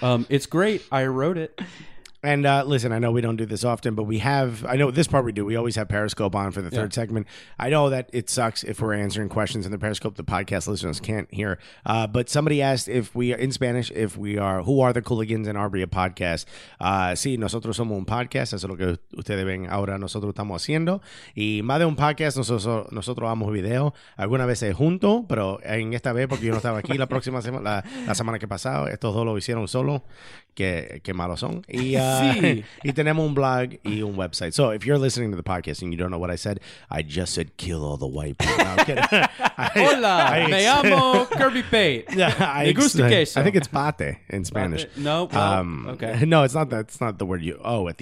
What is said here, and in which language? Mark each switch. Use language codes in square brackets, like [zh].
[en] it's great. I wrote it. And listen, I know we don't do this often, but we always have Periscope on for the third segment. I know that it sucks if we're answering questions in the Periscope, the podcast listeners can't hear. But somebody asked if we are in Spanish, if we are, who are the Cooligans and are we a podcast? [es] Sí, nosotros somos un podcast. Eso es lo que ustedes ven ahora. Nosotros estamos haciendo. Y más de un podcast, nosotros vamos video. Alguna vez junto, pero en esta vez, porque yo no estaba aquí la semana que pasado. Estos dos lo hicieron solo. que malo son. Y tenemos un blog y un website. [en] So if you're listening to the podcast and you don't know what I said, I just said kill all the white people. [es] No, hola, me llamo Kirby Pate. Me gusta queso. [en] I think it's pate in Spanish. No, nope. Okay. No, it's not that. It's not the word you. Oh, at the